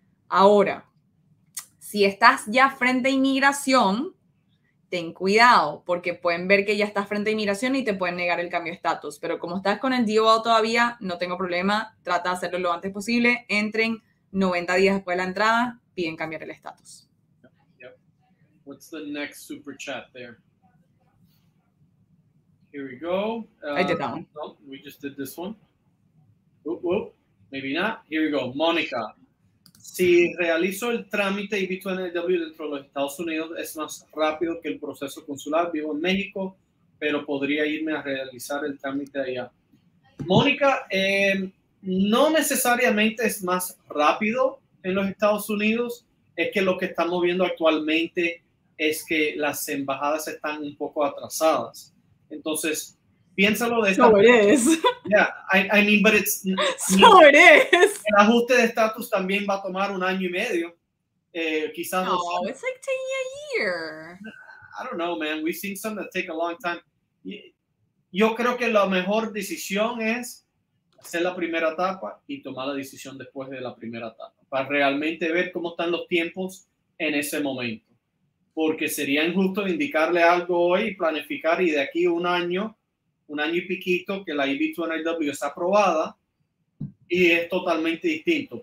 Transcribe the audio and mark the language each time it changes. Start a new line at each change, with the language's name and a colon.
Spanish: Ahora, si estás ya frente a inmigración, ten cuidado, porque pueden ver que ya estás frente a inmigración y te pueden negar el cambio de estatus. Pero como estás con el DOL todavía, no tengo problema. Trata de hacerlo lo antes posible. Entren 90 días después de la entrada, piden cambiar el estatus.
English: Yep. What's the next super chat there? Here we go. I did that one. We just did this one. Maybe not. Here we go. Monica.
Spanish: Si realizo el trámite EB2NW dentro de los Estados Unidos, es más rápido que el proceso consular. Vivo en México, pero podría irme a realizar el trámite allá. Mónica, no necesariamente es más rápido en los Estados Unidos. Es que lo que estamos viendo actualmente es que las embajadas están un poco atrasadas. Entonces, piénsalo de esta manera.
English: So it is. Yeah, I mean, but it's... So it is.
Spanish: El ajuste de estatus también va a tomar 1 año y medio. Quizás
English: no, it's like taking a year. I don't know, man. We've seen some that take a long time.
Spanish: Yo creo que la mejor decisión es hacer la primera etapa y tomar la decisión después de la primera etapa para realmente ver cómo están los tiempos en ese momento. Porque sería injusto indicarle algo hoy y planificar y de aquí un año y piquito que la EB2NW está aprobada y es totalmente distinto.